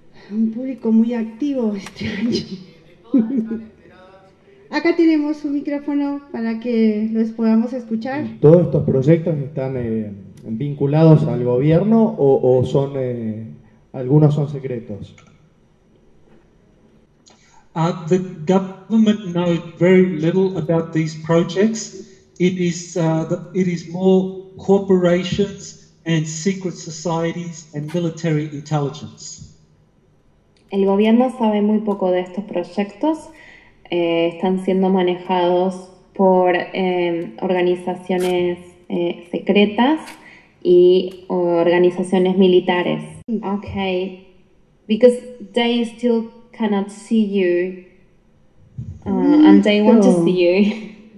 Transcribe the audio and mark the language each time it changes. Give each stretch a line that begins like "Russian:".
Spanish: Un público muy activo este año. Acá tenemos un micrófono para que los podamos escuchar. ¿Todos estos proyectos están vinculados al gobierno o son algunos son secretos?
English: The government knows very little about these projects. It is more corporations and secret societies and military intelligence.
Spanish: El gobierno sabe muy poco de estos proyectos. Están siendo manejados por organizaciones secretas y organizaciones militares.
English: Okay, because they still cannot see you, and they want to see you.